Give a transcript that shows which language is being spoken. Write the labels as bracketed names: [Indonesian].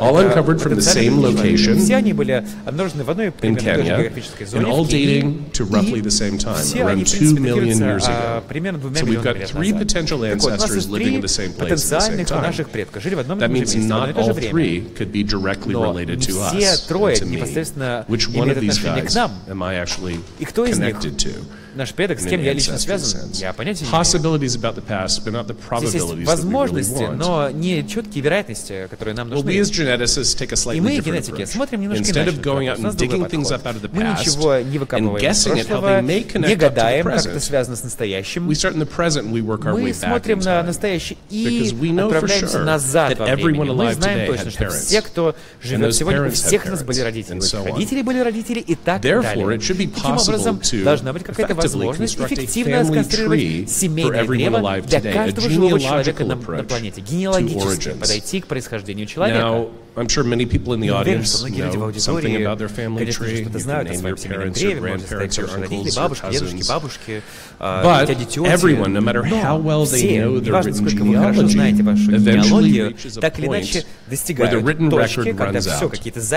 [English] All uncovered from the same location in Kenya, and all dating to roughly the same time, around 2 million years ago. So we've got three potential ancestors living in the same place at the same time. That means not all three could be directly related to us, to me. Which one of these guys am I actually connected to? [Russian] Наш предок, с кем я лично связан, я понятия [English] possibilities about the past, but not the probabilities that we really want. [Russian] Здесь есть возможности, но не четкие вероятности, которые нам нужны. [English] We as geneticists take a slightly different approach. [Russian] И мы, генетики, смотрим немножко иначе. [English] Instead of going out and digging things up out of the past, [Russian] мы ничего не выкапываем из прошлого, не гадаем, как это связано с настоящим. [English] We start in the present, we work our way back. [Russian] Мы смотрим на настоящее и отправляемся назад во времени. Мы знаем точно, что все, кто живет сегодня, у всех нас были родители. Родители были родители и так далее. Таким образом, должна быть какая-то возможность эффективно сконструировать семейное древо для каждого живого человека на планете, генеалогически подойти к происхождению человека. [English] I'm sure many people in the audience know something about their family tree. You can name your parents, your grandparents, your uncles, your cousins. But everyone, no matter how well they know their written genealogy, eventually reaches a point where the written record runs out.